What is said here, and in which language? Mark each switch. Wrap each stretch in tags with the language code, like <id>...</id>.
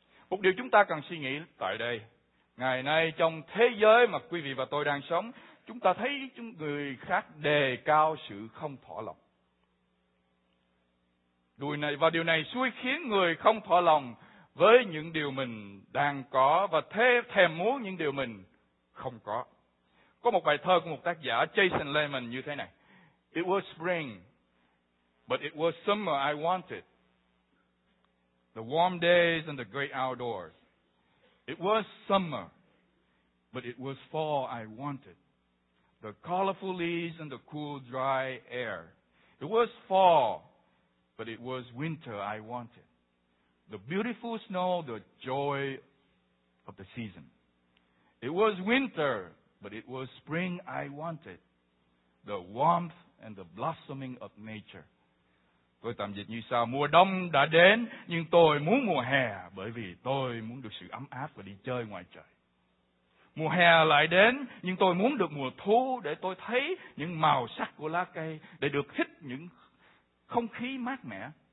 <vi>Một điều chúng ta cần suy nghĩ tại đây. Ngày nay trong thế giới mà quý vị và tôi đang sống, chúng ta thấy chúng người khác đề cao sự không thỏa lòng. Và điều này xui khiến người không thỏa lòng với những điều mình đang có và thèm muốn những điều mình không có. Có một bài thơ của một tác giả Jason Lehman như thế này.</vi> <en>It was spring, but it was summer I wanted. The warm days and the great outdoors. It was summer, but it was fall I wanted. The colorful leaves and the cool, dry air. It was fall, but it was winter I wanted. The beautiful snow, the joy of the season. It was winter, but it was spring I wanted. The warmth and the blossoming of nature.</en> <vi>Tôi tạm dịch như sau: mùa đông đã đến, nhưng tôi muốn mùa hè, bởi vì tôi muốn được sự ấm áp và đi chơi ngoài trời. Mùa hè lại đến, nhưng tôi muốn được mùa thu, để tôi thấy những màu sắc của lá cây, để được hít những không khí mát mẻ.</vi>